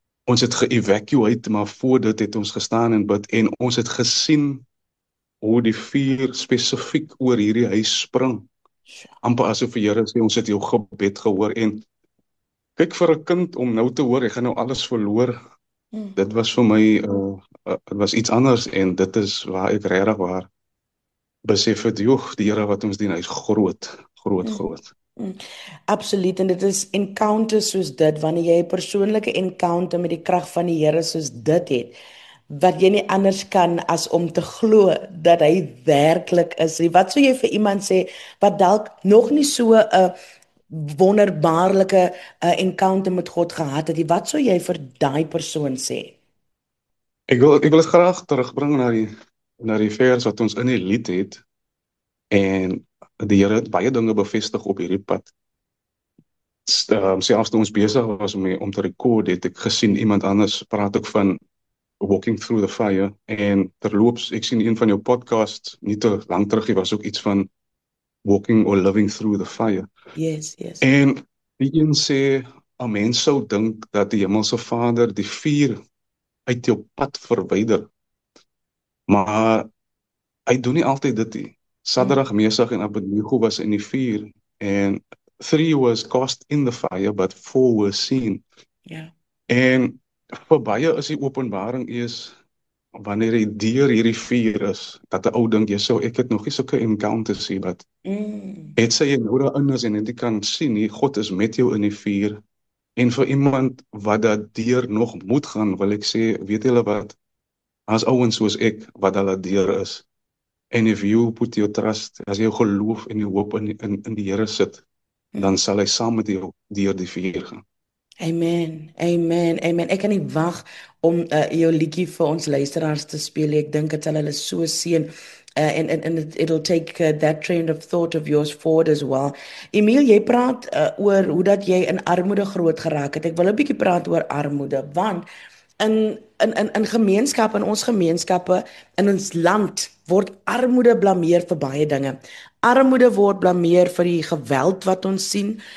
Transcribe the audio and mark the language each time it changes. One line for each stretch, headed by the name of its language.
Afrikaans: Ons het ge-evacuate, maar voor dit het ons gestaan en bid, en ons het gesien hoe die vuur spesifiek oor hierdie huis spring. Amper asof die Here sê, ons het jou gebed gehoor. En kyk, vir 'n kind om nou te hoor, hy gaan nou alles verloor, dit was vir my, dit was iets anders, en dit is waar ek regtig waar besef het, joh, die Here wat ons dien, hy is groot, groot, groot. Absoluut, en dit is encounters soos dit, wanneer jy 'n persoonlike encounter met die krag van die Here soos dit het, wat jy nie anders kan as om te glo dat hy werklik is. Wat sou jy vir iemand sê wat dalk nog nie so 'n wonderbaarlike encounter met God gehad het? Wat sou jy vir daai persoon sê? Ek wil dit graag terugbring na die vers wat ons in die lied het, en die Here het baie dinge bevestig op hierdie pad. Selfs toe ons besig was om te record, het ek gesien iemand anders praat ook van
English: walking through the fire,
Afrikaans: en terloops, ek sien een van jou podcasts nie te lank terug, hier was ook iets van
English: walking or living through the fire. Yes.
Afrikaans: En die een sê, 'n mens sou dink dat die Hemelse Vader die vuur uit jou pad verwyder. Maar hy doen nie altyd dit nie. Sadrag, Mesag en Abednego was in die vuur, en
English: 3 was cast in the fire, but 4 were seen.
Afrikaans: En vir baie is die openbaring is, wanneer hy deur hierdie vuur is, dat hy ou dink, jy sou, ek het nog nie sulke encounters hê, but het sy jy nou daarin is en jy kan sien, nie, God is met jou in die vuur. En vir iemand wat dat deur nog moet gaan, wil ek sê, weet julle wat, as ouens soos ek, wat hulle deur is,
English: and if you put your trust,
Afrikaans: as jy jou geloof en jou hoop in die Here sit, dan sal hy saam met jou deur die vuur gaan. Amen, amen, amen. Ek kan nie wag om jou liedjie vir ons luisteraars te speel. Ek dink dit sal hulle so seën.
English: And it'll take that train of thought of yours forward as well.
Afrikaans: Emil, jy praat oor hoe dat jy in armoede groot geraak het. Ek wil 'n bietjie praat oor armoede, want in gemeenskappe, in ons gemeenskappe, in ons land, word armoede blameer vir baie dinge. Armoede word blameer vir die geweld wat ons sien.